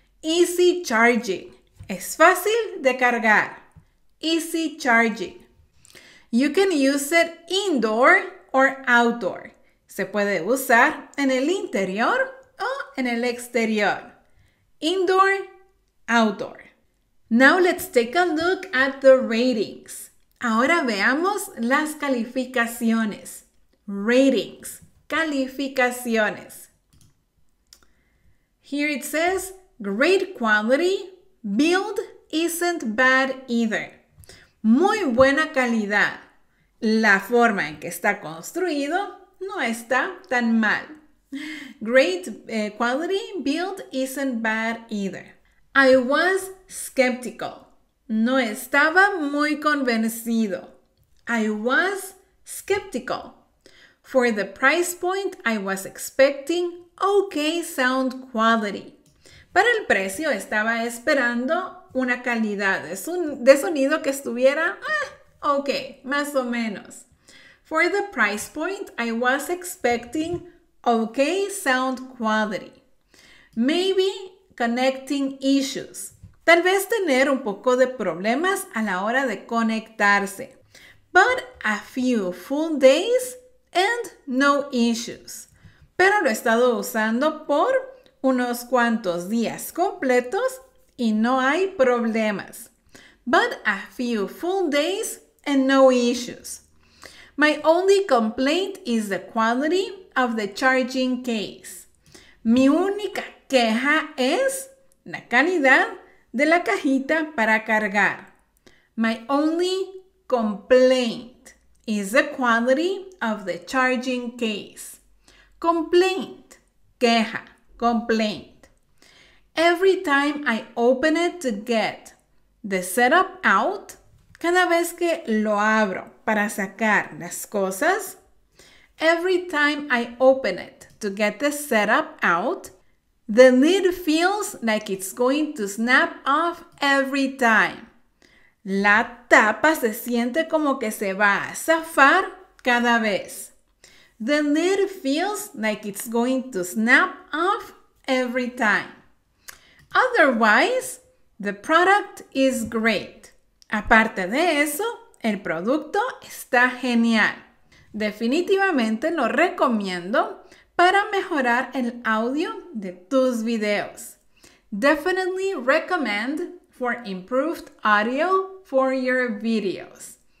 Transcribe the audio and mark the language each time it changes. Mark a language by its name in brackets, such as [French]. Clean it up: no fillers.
[English] Easy charging. [Spanish] Es fácil de cargar. [English] Easy charging. You can use it indoor or outdoor. [Spanish] Se puede usar en el interior o en el exterior. [English] Indoor, outdoor. Now let's take a look at the ratings. [Spanish] Ahora veamos las calificaciones. [English] Ratings, calificaciones. Here it says, great quality, build isn't bad either. [Spanish] Muy buena calidad. La forma en que está construido no está tan mal. [English] Great quality, build isn't bad either. I was skeptical. [Spanish] No estaba muy convencido. [English] I was skeptical. For the price point, I was expecting okay sound quality. [Spanish] Para el precio, estaba esperando una calidad de sonido que estuviera ok, más o menos. [English] For the price point, I was expecting okay sound quality. Maybe connecting issues. [Spanish] Tal vez tener un poco de problemas a la hora de conectarse. [English] But a few full days and no issues. [Spanish] Pero lo he estado usando por unos cuantos días completos y no hay problemas. [English] But a few full days and no issues. My only complaint is the quality of the charging case. [Spanish] Mi única queja es la calidad de la cajita para cargar. [English] My only complaint is the quality of the charging case. Complaint, queja, complaint. Every time I open it to get the setup out, [Spanish] cada vez que lo abro para sacar las cosas, [English] every time I open it to get the setup out, the lid feels like it's going to snap off every time. [Spanish] La tapa se siente como que se va a zafar cada vez. [English] The lid feels like it's going to snap off every time. Otherwise, the product is great. [Spanish] Aparte de eso, el producto está genial. Definitivamente lo recomiendo para mejorar el audio de tus videos. [English] Definitely recommend for improved audio for your videos.